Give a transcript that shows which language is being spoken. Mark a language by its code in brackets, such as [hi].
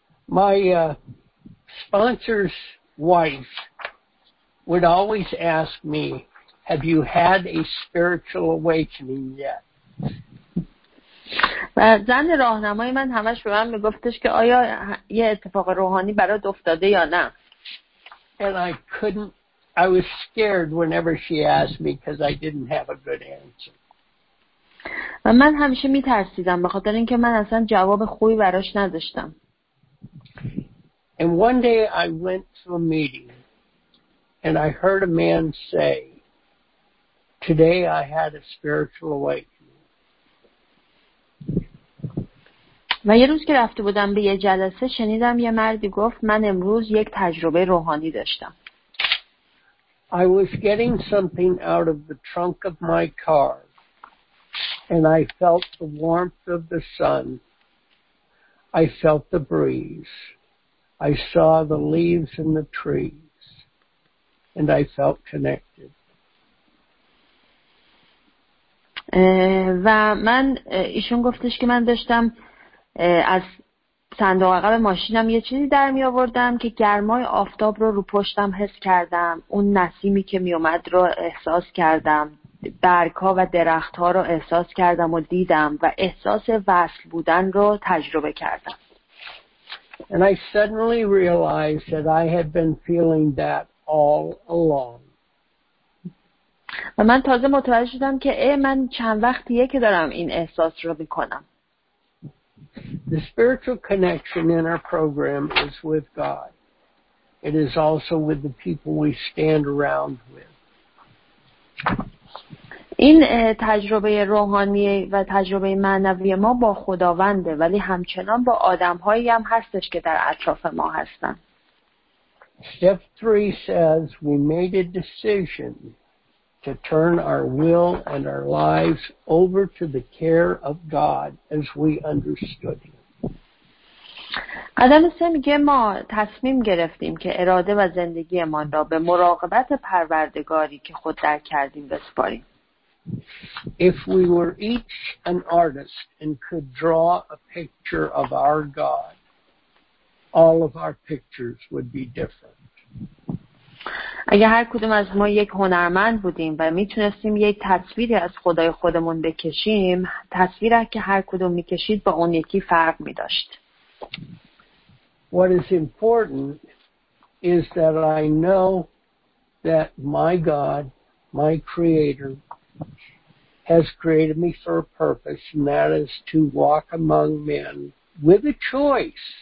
[en] My sponsor's wife would always ask me, "Have you had a spiritual awakening yet?" [fa] و و زن راهنمای من همش به من میگفتش که آیا یه اتفاق روحانی برات افتاده یا نه. [en] And I couldn't, I was scared whenever she asked me because I didn't have a good answer. [fa] و من همیشه میترسیدم به خاطر اینکه من اصلا جواب خوبی براش نداشتم. [en] And one day I went to a meeting and I heard a man say, today I had a spiritual awakening. [fa] و یه روز که رفته بودم به یه جلسه شنیدم یه مردی گفت من امروز یک تجربه روحانی داشتم. [en] I was getting something out of the trunk of my car and I felt the warmth of the sun. I felt the breeze. I saw the leaves and the trees and I felt connected. [fa] و من ایشون گفتش که من داشتم از صندوق عقب ماشینم یه چیزی در می آوردم که گرمای آفتاب رو پشتم حس کردم، اون نسیمی که می اومد رو احساس کردم، برگ‌ها و درخت‌ها رو احساس کردم و دیدم و احساس وصل بودن رو تجربه کردم. [en] And I suddenly realized that I had been feeling that all along. [fa] و من تازه متوجه شدم که من چند وقتیه که دارم این احساس رو می‌کنم. [en] The spiritual connection in our program is with God. It is also with the people we stand around with. [fa] این تجربه روحانی و تجربه معنوی ما با خداونده، ولی همچنان با آدم‌هایی هم هستش که در اطراف ما هستن. [en] Step 3 says we made a decision to turn our will and our lives over to the care of God as we understood him. [fa] قدم سه میگه ما تصمیم گرفتیم که اراده و زندگی من را به مراقبت پروردگاری که خود درک کردیم بسپاریم. [en] If we were each an artist and could draw a picture of our God, all of our pictures would be different. [fa] اگه هر کدوم از ما یک هنرمند بودیم و میتونستیم یک تصویری از خدای خودمون بکشیم، تصویری که هر کدوم میکشید با اون یکی فرق میداشت. [en] What is important is that I know that my God, my creator, has created me for a purpose, and that is to walk among men with a choice.